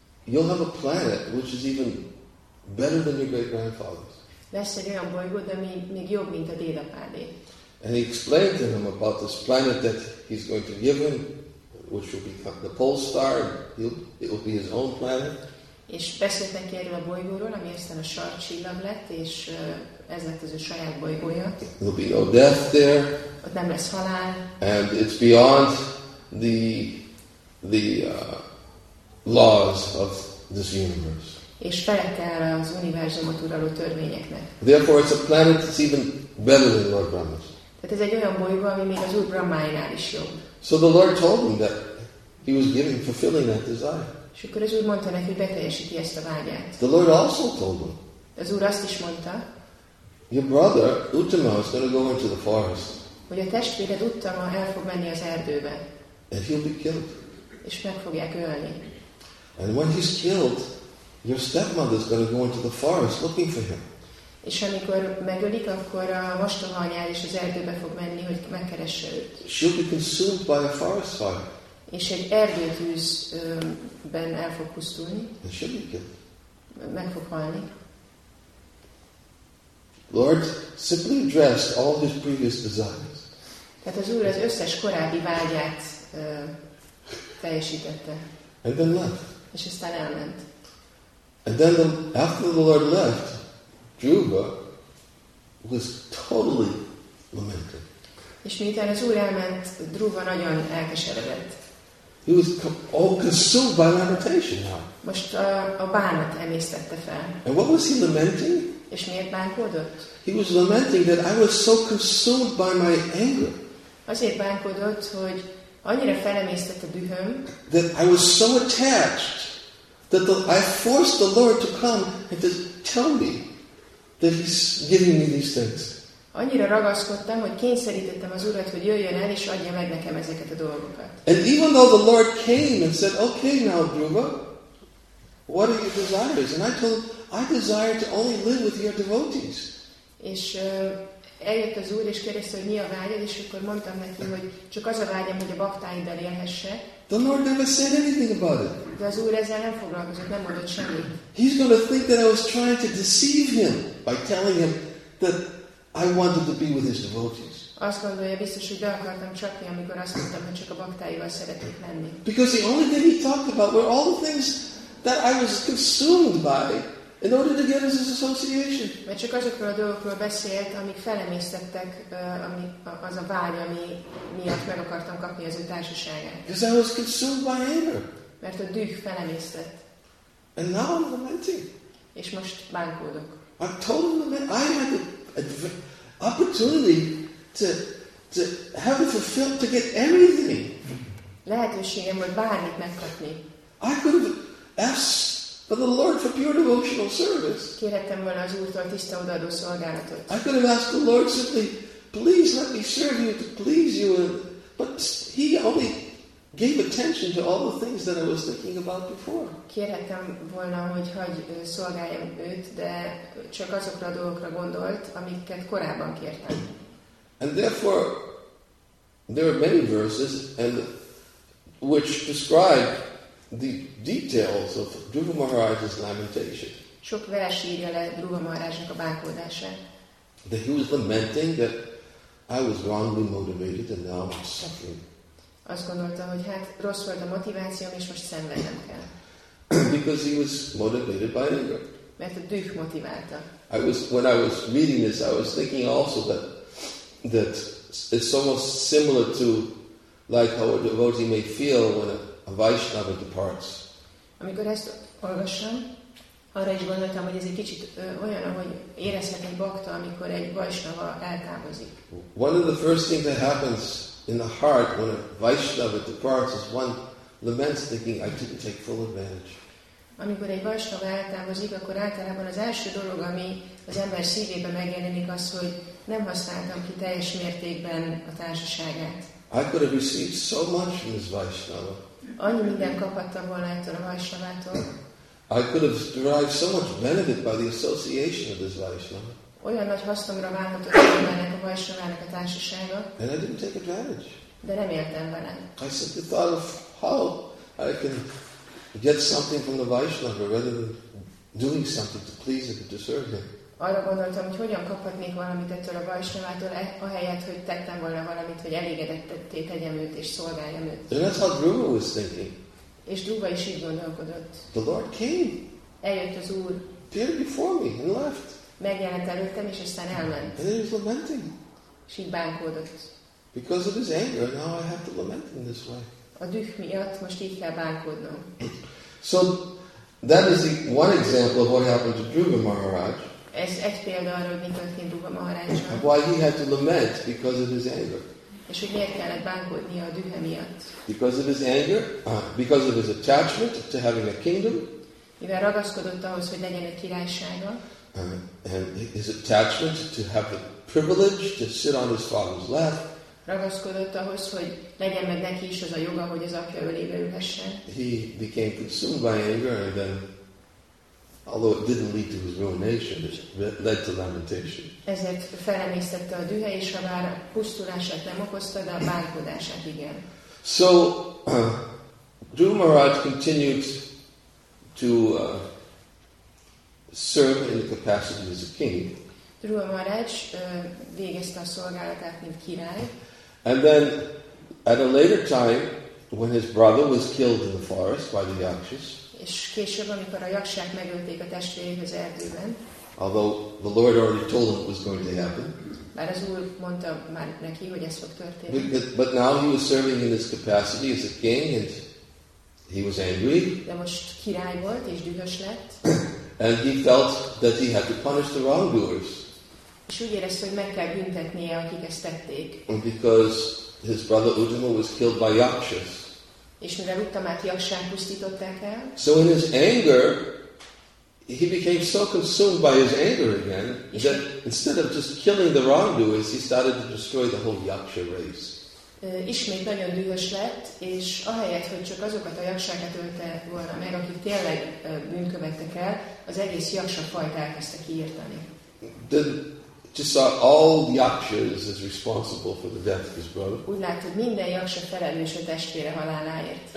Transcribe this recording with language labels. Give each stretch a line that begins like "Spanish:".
English: You'll have a planet which is even better than your great grandfather's.
Hungarian: Lesz egy olyan bolygód, ami még jobb, mint a dédapádé.
English: And he explained to him about this planet that he's going to give him, which will become the pole star. It will be his own planet.
Hungarian: És beszélt neki erről a bolygóról, ami aztán a sarcsillag lett, és ez lett az ő saját bolygója.
English: There'll be no death there.
Hungarian: Ott nem lesz halál.
English: And it's beyond the laws of this universe.
Hungarian: És felett el az univerzumot uraló törvényeknek.
English: Therefore, it's a planet that's even better than Lord Brahma's.
Hungarian: Tehát ez egy olyan bolygó, ami még az Úr Brahmájánál is jobb.
English: So the Lord told him that he was giving, fulfilling that desire.
Hungarian: És akkor az Úr mondta neki, hogy beteljesíti ezt a vágyát.
English: The Lord also told him.
Hungarian: Az Úr azt is mondta.
English: Your brother Uttama is going to go into the forest.
Hungarian: Hogy a testvéred Uttama el fog menni az erdőbe.
English: And he'll be killed.
Hungarian: És meg fogják ölni.
English: And when he's killed, Your stepmother is going to go into the forest looking for him.
Hungarian: És amikor megölik, akkor a vastag anyjára is az erdőbe fog menni, hogy megkeresse őt.
English: She'll be consumed by a forest fire.
Hungarian: És egy erdőtűzben el fog pusztulni.
English: And she'll be killed.
Hungarian: Meg fog halni.
English: Lord simply addressed all his previous desires.
Hungarian: Tehát az Úr az összes korábbi vágyát teljesítette.
English: And then left.
Hungarian: És aztán elment.
English: And then after the Lord left, Dhruva was totally lamented.
Hungarian: És miután az Úr elment, Dhruva nagyon elkeseredett.
English: He was all consumed by lamentation now.
Hungarian: Most a bánat emésztette fel.
English: And what was he lamenting?
Hungarian: És miért bánkodott?
English: He was lamenting that I was so consumed by my anger.
Hungarian: Azért bánkodott, hogy annyira felemésztett a dühöm.
English: That I was so attached that I forced the Lord to come and to tell me that he's giving me these things.
Hungarian: Annyira ragaszkodtam, hogy kényszerítettem az Urat, hogy jöjjön el és adja meg nekem ezeket a dolgokat.
English: And even though the Lord came and said, okay now, Dhruva, what are your desires? And I told him, I desire to only live with your devotees.
Hungarian: És eljött az Úr és kérdezte, hogy mi a vágyad, és akkor mondtam neki, hogy csak az a vágyam, hogy a baktáiddal élhessek.
English: The Lord never said anything about it.
Hungarian: De az Úr ezzel nem foglalkozott, nem mondott semmit.
English: He's going to think that I was trying to deceive him by telling him that I wanted to be with his devotees.
Hungarian: Azt gondolja biztos, hogy be akartam csapni, amikor azt mondtam, hogy csak a baktáival szeretnék lenni.
English: Because the only thing he talked about were all the things that I was consumed by in order to get his association.
Hungarian: Mert csak azokról a dolgokról beszélt, amik felemésztettek, az a vágy, ami miatt meg akartam kapni az ő társaságát.
English: Because I was consumed by anger.
Hungarian: Mert a düh felemésztett.
English: And now I'm lamenting.
Hungarian: És most bánkódok.
English: I told him that I had the opportunity to have it fulfilled, to get everything.
Hungarian: Lehetőségem volt bármit megkapni.
English: I could have asked for the Lord for pure devotional service.
Hungarian: Kérhettem volna az Úrtól tiszta odaadó szolgálatot.
English: I could have asked the Lord simply, please let me serve you to please you. But he only gave attention to all the things that I was thinking about before.
Hungarian: Kérhettem volna, hogy hagy szolgáljam őt, de csak azokra a dolgokra gondolt, amiket korábban kértem.
English: And therefore, there are many verses and which describe the details of Dhruva Maharaj's lamentation.
Hungarian: Sok vers írja le Dhruva Maharajnak a bánkódását.
English: That he was lamenting that I was wrongly motivated and now I'm suffering.
Hungarian: Azt gondolta, hogy hát rossz volt a motivációm, és most szenvednem kell.
English: Because he was motivated by anger.
Hungarian: Mert a düh motiválta.
English: When I was reading this, I was thinking also that it's almost similar to like how a devotee may feel when a Vaishnava departs.
Hungarian: Amikor ezt olvassam, arra is gondoltam, hogy ez egy kicsit olyan, ahogy érezhet egy bhakta, amikor egy Vaishnava eltávozik.
English: One of the first things that happens in the heart when a Vaishnava departs is one laments, thinking I didn't take full advantage.
Hungarian: Amikor egy Vaishnava eltávozik, akkor általában az első dolog, ami az ember szívében megjelenik, az, hogy nem használtam ki teljes mértékben a társaságát.
English: I could have received so much from this Vaishnava.
Hungarian: Annyi mindent kaphattam volna ettől a Vaishnavától.
English: I could have derived so much benefit by the association of this Vaishnava.
Hungarian: Olyan nagy hasznomra válhatott ennek a Vaishnavának a társasága.
English: And I didn't take advantage.
Hungarian: De nem éltem vele.
English: I simply thought of how I can get something from the Vaishnava rather than doing something to please him, to serve him.
Hungarian: Arra gondoltam, hogy hogyan kaphatnék valamit ettől a Vaishnavától, ahelyett, hogy tettem volna valamit, hogy elégedetté tegyem őt és szolgáljam őt.
English: And that's how Dhruva was thinking.
Hungarian: És Dhruva is így gondolkodott.
English: The Lord came.
Hungarian: Eljött az Úr.
English: Appeared before me and left.
Hungarian: Megjelent előttem, és aztán elment.
English: And then he was lamenting.
Hungarian: És így bánkódott.
English: Because of his anger, now I have to lament in this way.
Hungarian: A düh miatt most így kell bánkódnom.
English: So, that is the one example of what happened to Dhruva Maharaj.
Hungarian: Ez egy példa arra, hogy mi történt Dhruva Maharajnak.
English: Why he had to lament because of his anger.
Hungarian: És hogy miért kellett bánkódnia a dühe miatt.
English: Because of his anger, because of his attachment to having a kingdom.
Hungarian: Mivel ragaszkodott ahhoz, hogy legyen egy királysága.
English: And his attachment to have the privilege to sit on his father's lap.
Hungarian: Ragaszkodott ahhoz, hogy legyen meg neki is az a joga, hogy az apja ölébe ülhessen.
English: He became consumed by anger and then Although it didn't lead to his ruination, it led to lamentation.
Hungarian: Ezért felemésztette a dühe és a vár pusztulását nem okozta, de a bánkodását igen.
English: So, Dhruva Maharaj continued to serve in the capacity as a king.
Hungarian: Dhruva Maharaj végezte a szolgálatát, mint király.
English: And then, at a later time, when his brother was killed in the forest by the Yakshas,
Hungarian: és később, amikor a Yakshák megölték a testvérét az erdőben,
English: although the Lord already told him it was going to happen,
Hungarian: bár az Úr mondta már neki, hogy ez fog történni.
English: But now he was serving in his capacity as a king, and he was angry.
Hungarian: De most király volt, és dühös lett.
English: And he felt that he had to punish the wrongdoers.
Hungarian: És úgy érezte, hogy meg kell büntetnie, akik ezt tették.
English: And because his brother Uttama was killed by Yakshas.
Hungarian: És mivel Uttamát Yakshák pusztították el.
English: So in his anger, he became so consumed by his anger again that instead of just killing the wrongdoers, he started to destroy the whole Yaksha race.
Hungarian: Ismét nagyon dühös lett, és ahelyett, hogy csak azokat a Yakshákat ölte volna meg, akik tényleg bűnkövettek el, az egész Yaksha fajt elkezdte kiirtani.
English: Just saw all Yakshas as responsible for the death of his brother.
Hungarian: Úgy látta, hogy minden Yaksha felelős a testvére haláláért.